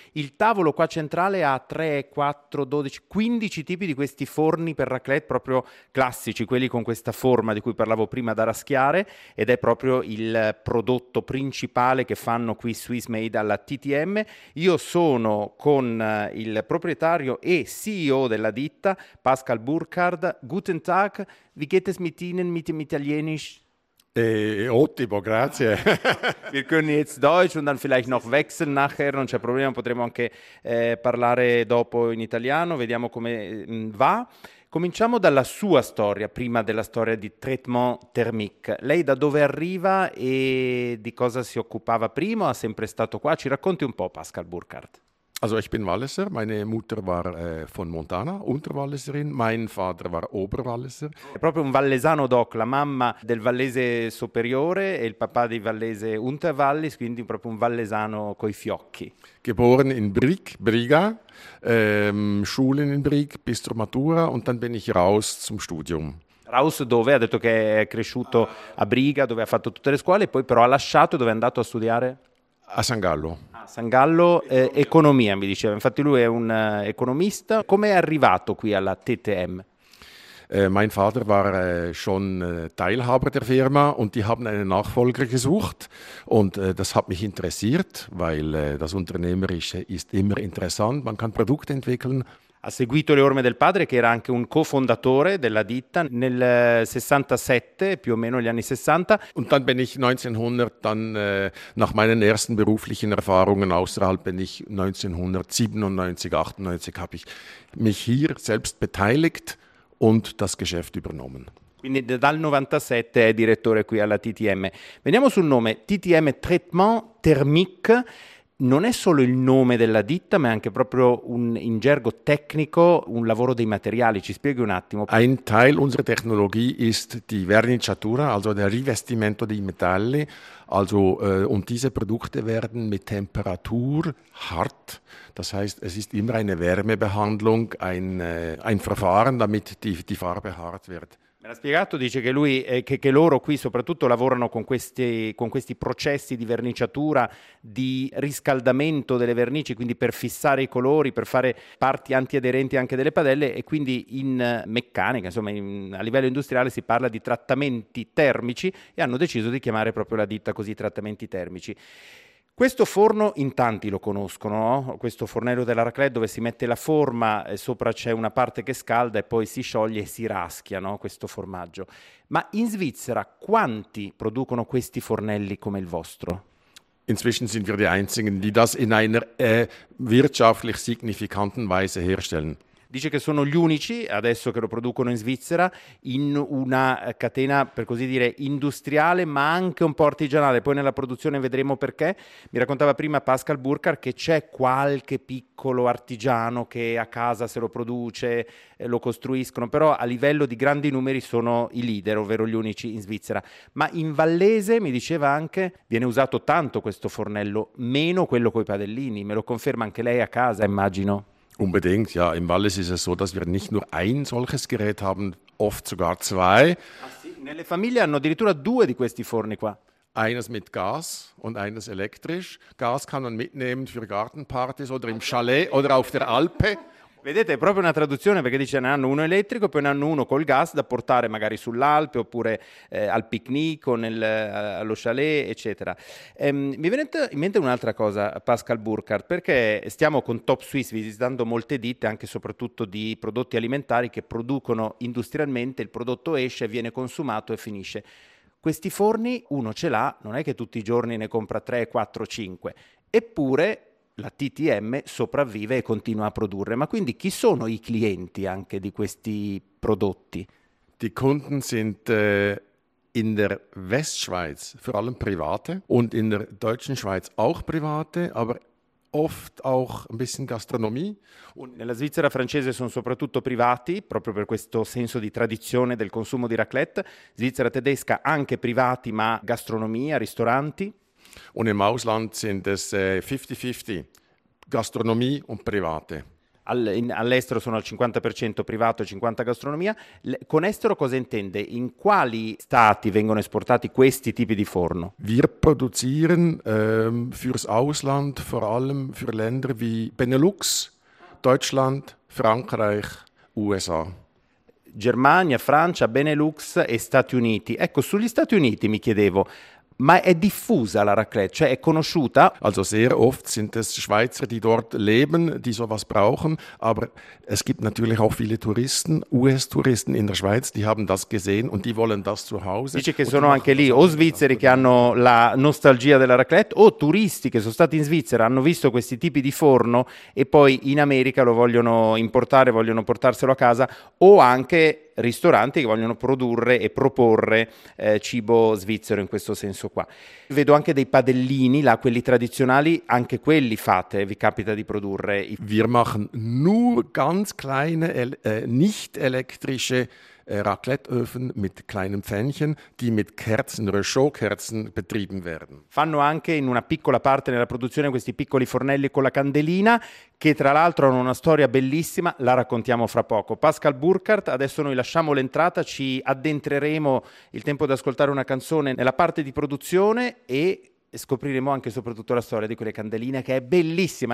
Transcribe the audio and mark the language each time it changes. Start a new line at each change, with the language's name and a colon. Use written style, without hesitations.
Italian: Il tavolo qua centrale ha 3, 4, 12, 15 tipi di questi forni per raclette proprio classici, quelli con questa forma di cui parlavo prima da raschiare, ed è proprio il prodotto principale che fanno qui Swiss Made alla TTM. Io sono con il proprietario e CEO della ditta, Pascal Burkhard.
German: Guten Tag, wie geht es mit Ihnen, mit dem Italienisch?
Italian: Ottimo, grazie.
German: Wir können jetzt Deutsch und dann vielleicht noch wechseln nachher,
Italian: non c'è problema, potremo anche parlare dopo in italiano, vediamo come va. Cominciamo dalla sua storia, prima della storia di Traitement Thermique. Lei da dove arriva e di cosa si occupava prima? Ha sempre stato qua? Ci racconti un po', Pascal Burkhard.
German: Also ich bin Walliser, meine Mutter war von Montana, Unterwalliserin, mein Vater war Oberwalliser.
Italian: È proprio un vallesano doc, la mamma del Vallese Superiore e il papà di Vallese Unterwallis, quindi proprio un vallesano coi fiocchi.
German: Geboren in Brig, Briga, Schulen in Brig bis zur Matura und dann bin ich raus zum Studium.
Italian: Raus dove? Ha detto che è cresciuto a Briga, dove ha fatto tutte le scuole, poi però ha lasciato, dove è andato a studiare? A San Gallo. San Gallo, economia mi diceva, infatti lui è un economista. Come è arrivato qui alla TTM?
German: Mein Vater war schon Teilhaber der Firma und die haben einen Nachfolger gesucht und das hat mich interessiert, weil das Unternehmerische ist immer interessant, man kann Produkte entwickeln.
Italian: Ha seguito le orme del padre, che era anche un cofondatore della ditta, nel 67, più o meno gli anni 60.
German: Und dann bin ich 1900, dann nach meinen ersten beruflichen Erfahrungen außerhalb, bin ich 1997, 98, habe ich mich hier selbst beteiligt und das Geschäft übernommen.
Italian: Quindi dal 97 è direttore qui alla TTM. Veniamo sul nome, TTM Traitement Thermique. Non è solo il nome della ditta, ma è anche proprio un in gergo tecnico un lavoro dei materiali. Ci spieghi un attimo.
German: Ein Teil unserer Technologie ist die Verniciatura, also der
Italian: Rivestimento dei metalli.
German: Also und diese Produkte werden mit Temperatur hart. Das heißt, es ist immer eine Wärmebehandlung, ein Verfahren, damit die Farbe hart wird.
Italian: Me l'ha spiegato, dice che lui che loro qui soprattutto lavorano con questi processi di verniciatura, di riscaldamento delle vernici, quindi per fissare i colori, per fare parti antiaderenti anche delle padelle, e quindi in meccanica, insomma a livello industriale si parla di trattamenti termici, e hanno deciso di chiamare proprio la ditta così, trattamenti termici. Questo forno in tanti lo conoscono, no? Questo fornello della raclette dove si mette la forma, e sopra c'è una parte che scalda e poi si scioglie e si raschia, no? Questo formaggio. Ma in Svizzera quanti producono questi fornelli come il vostro? Inzwischen sind wir die einzigen, die das in einer wirtschaftlich signifikanten Weise herstellen. Dice che sono gli unici adesso che lo producono in Svizzera in una catena, per così dire, industriale, ma anche un po' artigianale. Poi nella produzione vedremo perché. Mi raccontava prima Pascal Burkhard che c'è qualche piccolo artigiano che a casa se lo produce, lo costruiscono, però a livello di grandi numeri sono i leader, ovvero gli unici in Svizzera. Ma in Vallese, mi diceva anche, viene usato tanto questo fornello, meno quello coi padellini. Me lo conferma anche lei a casa, immagino.
German: Unbedingt, ja. Im Wallis ist es so, dass wir nicht nur ein solches Gerät haben, oft sogar zwei.
Italian: Ah, sì. Nelle famiglie hanno addirittura due di questi forni qua.
German: Eines mit Gas und eines elektrisch. Gas kann man mitnehmen für Gartenpartys oder im Chalet oder auf der Alpe.
Italian: Vedete, è proprio una traduzione, perché dice ne hanno uno elettrico, poi ne hanno uno col gas da portare magari sull'Alpe oppure al picnic o allo chalet, eccetera. Mi viene in mente un'altra cosa, Pascal Burkhard, perché stiamo con Top Swiss visitando molte ditte, anche soprattutto di prodotti alimentari, che producono industrialmente, il prodotto esce, viene consumato e finisce. Questi forni uno ce l'ha, non è che tutti i giorni ne compra 3, 4, 5, eppure la TTM sopravvive e continua a produrre. Ma quindi chi sono i clienti anche di questi prodotti?
German: Die Kunden sind in der Westschweiz vor allem private und in der deutschen Schweiz auch private, aber oft auch ein bisschen Gastronomie.
Italian: Nella Svizzera francese sono soprattutto privati, proprio per questo senso di tradizione del consumo di raclette. Svizzera tedesca anche privati, ma gastronomia, ristoranti.
German: Und im Ausland sind es 50-50, gastronomie o private?
Italian: All'estero sono al 50% privato e 50% gastronomia. Con estero cosa intende? In quali stati vengono esportati questi tipi di forno?
German: Wir produzieren fürs Ausland vor allem für Länder wie Benelux, Deutschland, Frankreich, USA.
Italian: Germania, Francia, Benelux e Stati Uniti. Ecco, sugli Stati Uniti mi chiedevo, ma è diffusa la raclette, cioè è conosciuta?
German: Also sehr oft sind es Schweizer, die dort leben, die sowas brauchen, aber es gibt natürlich auch viele Touristen, US-Touristen in der Schweiz, die haben das gesehen und die wollen das zu Hause.
Italian: Dice che sono anche lì o svizzeri che hanno la nostalgia della raclette o turisti che sono stati in Svizzera, hanno visto questi tipi di forno e poi in America lo vogliono importare, vogliono portarselo a casa o anche ristoranti che vogliono produrre e proporre cibo svizzero in questo senso qua. Vedo anche dei padellini là, quelli tradizionali, anche quelli fate, vi capita di produrre?
German: Wir machen nur ganz kleine nicht elektrische Racletteöfen mit kleinen Pfännchen, die mit Kerzen, Röschokerzen betrieben werden.
Italian: Fanno anche in una piccola parte nella produzione questi piccoli fornelli con la candelina, che tra l'altro hanno una storia bellissima, la raccontiamo fra poco. Pascal Burkhardt, adesso noi lasciamo l'entrata, ci addentreremo il tempo di ascoltare una canzone nella parte di produzione e scopriremo anche e soprattutto la storia di quelle candeline che è bellissima.